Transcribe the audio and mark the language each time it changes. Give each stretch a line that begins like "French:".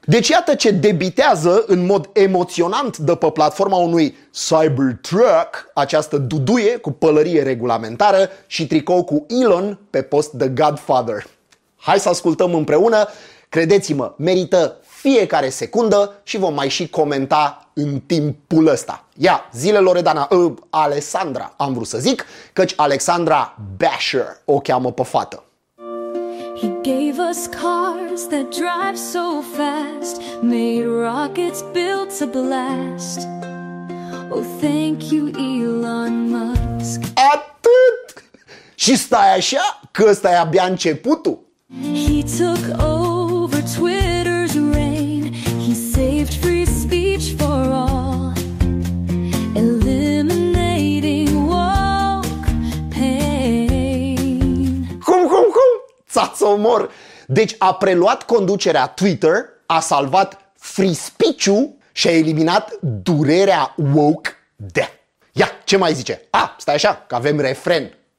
Romanian: Deci iată ce debitează în mod emoționant de pe platforma unui Cybertruck, această duduie cu pălărie regulamentară și tricou cu Elon pe post The Godfather. Hai să ascultăm împreună. Credeți-mă, merită fiecare secundă și vom mai și comenta în timpul ăsta. Ia, zile Loredana, Alexandra, am vrut să zic, căci Alexandra Basher o cheamă pe fată.
English: He gave us cars that drive so fast, made rockets built to blast. Oh, thank you, Elon Musk.
Romanian: Atât! Și stai așa, că ăsta e abia începutul.
English: He took over Twitter's reign, he saved free speech for all, eliminating woke pain.
Romanian: Cum, cum, cum? Ța-ți omor! Deci a preluat conducerea Twitter, a salvat free speech-ul și a eliminat durerea woke de. Ia, ce mai zice? Ah, stai așa, că avem refren.